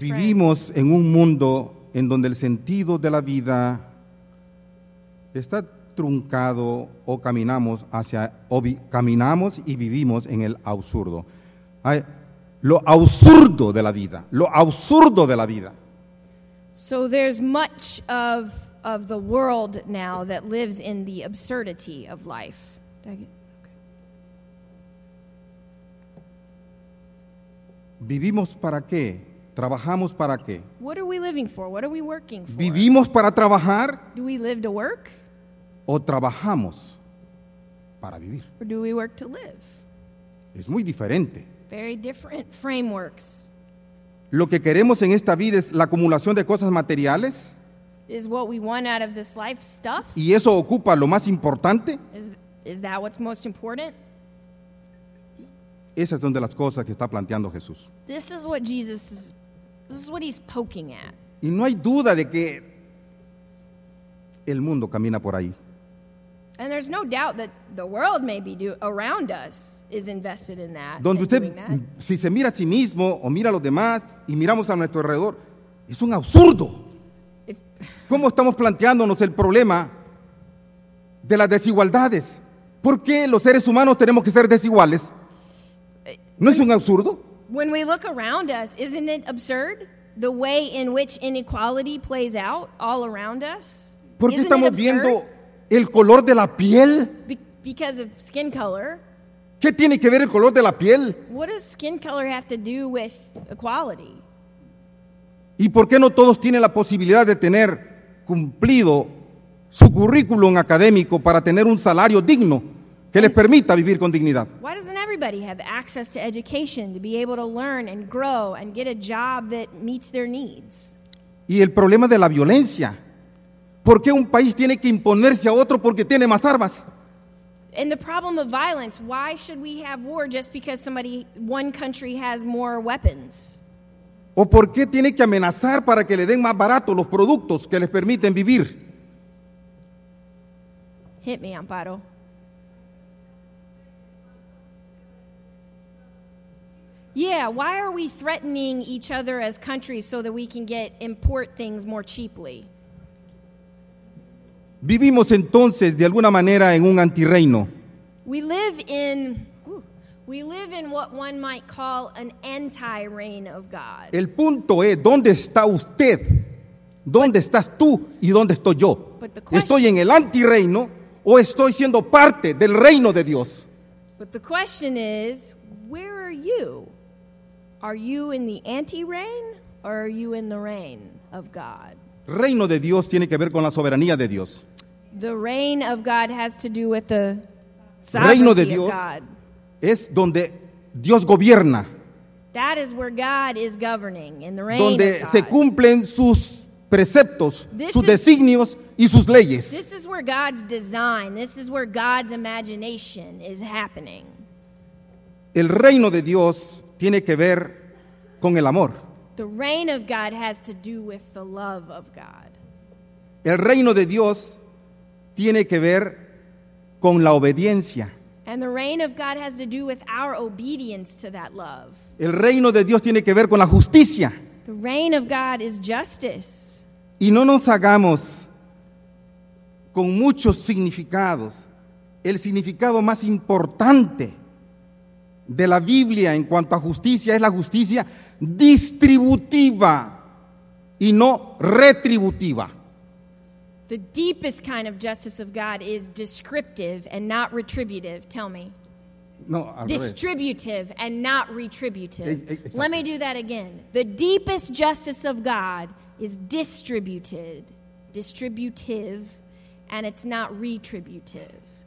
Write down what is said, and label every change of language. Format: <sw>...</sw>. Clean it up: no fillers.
<es>que vivimos en un mundo en donde el sentido de la vida está truncado o caminamos hacia o caminamos y vivimos en el absurdo. Ay, lo absurdo de la vida, lo absurdo de la vida.</es> <en>So there's much of the world now that lives in the absurdity of life.</en> <es>¿Vivimos para qué? ¿Trabajamos para qué?</es> <en>What are we living for? What are we working for?</en> <es>¿Vivimos para trabajar?</es> <en>Do we live to work?</en> <es>¿O trabajamos para vivir?</es> <en>Or do we work to live?</en> <es>Es muy diferente.</es> <en>Very different frameworks.</en> <es>Lo que queremos en esta vida es la acumulación de cosas materiales.</es> <en>Is what we want out of this life stuff?</en> <es>¿Y eso ocupa lo más importante?</es> <en>Is that what's most important?</en> <es>Esa es donde las cosas que está planteando Jesús.</es> <en>This is what Jesus is, this is what he's poking at.</en> <es>Y no hay duda de que el mundo camina por ahí.</es> <en>And there's no doubt that the world maybe do around us is invested in that.</en> <es>Donde usted,</es> <en>doing that.</en> <es>Si se mira a sí mismo o mira a los demás y miramos a nuestro alrededor, es un absurdo. ¿Cómo estamos planteándonos el problema de las desigualdades? ¿Por qué los seres humanos tenemos que ser desiguales? ¿No es un absurdo?</es> <en>When we look around us, isn't it absurd the way in which inequality plays out all around us?</en> <es>¿Por qué estamos viendo el color de la piel?</es> <en>Because of skin color.</en> <es>¿Qué tiene que ver el color de la piel?</es> <en>What does skin color have to do with equality?</en> <es>¿Y por qué no todos tienen la posibilidad de tener cumplido su currículum académico para tener un salario digno que les permita vivir con dignidad?</es> <en>Why doesn't everybody have access to education to be able to learn and grow and get a job that meets their needs?</en> <es>¿Y el problema de la violencia? ¿Por qué un país tiene que imponerse a otro porque tiene más armas?</es> <en>And the problem of violence, why should we have war just because somebody, one country has more weapons?</en> <es>¿O por qué tiene que amenazar para que le den más barato los productos que les permiten vivir?</es> <en>Hit me, Amparo. Yeah, why are we threatening each other as countries so that we can get import things more cheaply?</en> <es>Vivimos entonces de alguna manera en un antirreino.</es> <en>We live in what one might call an anti-reign of God.</en> <es>El punto es, ¿dónde está usted? ¿Dónde estás tú y dónde estoy yo? ¿Estoy en el antirreino o estoy siendo parte del reino de Dios?</es> <en>But the question is, where are you? Are you in the anti-reign or are you in the reign of God?</en> <es>reino de Dios tiene que ver con la soberanía de Dios.</es> <en>The reign of God has to do with the sovereignty of God.</en> <es>Reino de Dios es donde Dios gobierna.</es> <en>That is where God is governing in the reign</en> <es>donde</es> <en>of God.</en> <es>Se cumplen sus preceptos, this sus designios y sus leyes.</es> <en>This is where God's design, this is where God's imagination is happening.</en> <es>El reino de Dios tiene que ver con el amor.</es> <en>The reign of God has to do with the love of God.</en> <es>El reino de Dios tiene que ver con la obediencia.</es> <en>And the reign of God has to do with our obedience to that love.</en> <es>El reino de Dios tiene que ver con la justicia.</es> <en>The reign of God is justice.</en> <es>Y no nos hagamos con muchos significados. El significado más importante de la Biblia en cuanto a justicia es la justicia distributiva y no retributiva.</es> <en>The deepest kind of justice of God is descriptive and not retributive. Tell me. No, distributive and not retributive. Exactly. Let me do that again. The deepest justice of God is distributive, and it's not retributive.</en>